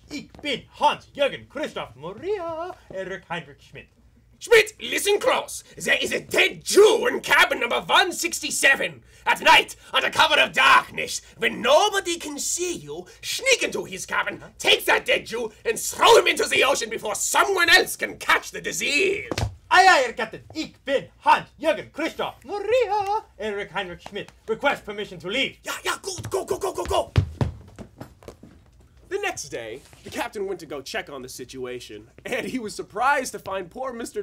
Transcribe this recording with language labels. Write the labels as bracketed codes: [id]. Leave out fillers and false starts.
[de] Ich bin Hans Jürgen Christoph Maria Erich Heinrich Schmidt. [en] Schmidt, listen close. There is a dead Jew in cabin number 167. At night, under cover of darkness, when nobody can see you, sneak into his cabin, take that dead Jew, and throw him into the ocean before someone else can catch the disease. Aye, aye, Herr Captain. [de] Ich bin Hans Jürgen Christoph Maria Erich Heinrich Schmidt. [en] Request permission to leave. Yeah, yeah, go, go, go, go, go, go. The next day, the captain went to go check on the situation, and he was surprised to find poor Mr.